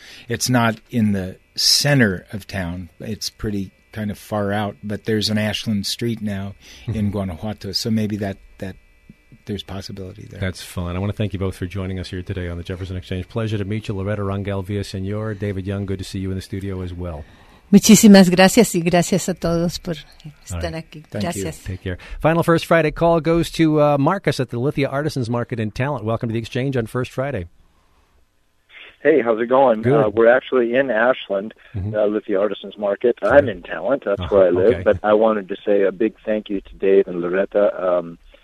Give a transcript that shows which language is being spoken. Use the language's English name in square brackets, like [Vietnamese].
[English] It's not in the center of town. It's pretty kind of far out, but there's an Ashland Street now in Guanajuato, so maybe that there's possibility there. That's fun. I want to thank you both for joining us here today on the Jefferson Exchange. Pleasure to meet you, Loretta Rangel Villaseñor. David Young, good to see you in the studio as well. [Spanish] Muchísimas gracias y gracias a todos por estar [English] right. [Spanish] aquí. [English] Thank [Spanish] gracias. [English] You. Take care. Final First Friday call goes to Marcus at the Lithia Artisans Market and Talent. Welcome to the Exchange on First Friday. Hey, how's it going? Good. We're actually in Ashland, Lithia Artisans Market. Sure. I'm in Talent. That's where I live. Okay. But I wanted to say a big thank you to Dave and Loretta.